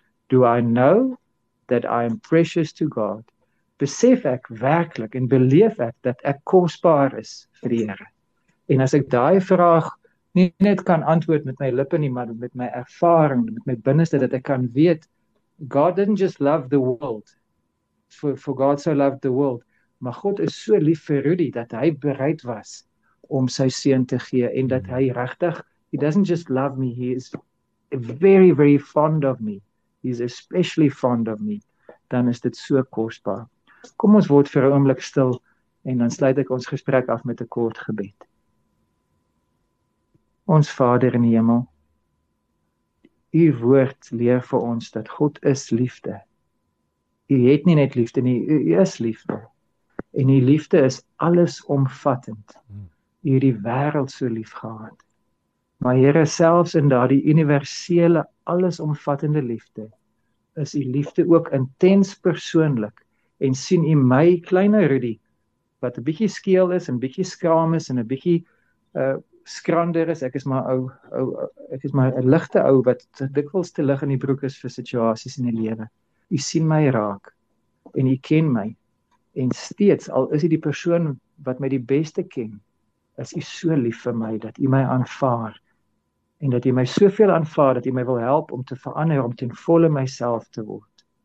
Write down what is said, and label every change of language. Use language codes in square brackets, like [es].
[en] Do I know that I am precious to God? [af] Besef ek werklik en beleef ek dat ek kosbaar is vir die Here? En as ek daai vraag nie net kan antwoord met my lippe nie, maar met my ervaring, met my binneste, dat ek kan weet, [en] God didn't just love the world, [af] for God so loved the world, maar God is so lief vir Rudy, dat hy bereid was om sy seun te gee, en dat hy regtig, [en] he doesn't just love me, he is very, very fond of me, [af] he is especially fond of me, dan is dit so kostbaar. Kom ons word vir 'n oomblik stil, en dan sluit ek ons gesprek af met 'n kort gebed. Ons Vader in die hemel, U woord leer vir ons dat God is liefde. U het nie net liefde nie, U is liefde. En U liefde is allesomvattend. U het die wêreld so lief gehad. Maar Here, selfs in daardie universele, allesomvattende liefde, is U liefde ook intens persoonlik. En sien U my kleine Rudy, wat 'n bietjie skeel is, en bietjie skraam is, en 'n bietjie skrander is, ek is maar ou, ek is maar 'n ligte ou wat dikwels te lig in die broek is vir situasies in die lewe. U sien my raak en U ken my. En steeds al is U die persoon wat my die beste ken, is U so lief vir my dat U my aanvaar en dat U my soveel aanvaar dat U my wil help om te verander, om ten volle myself te word.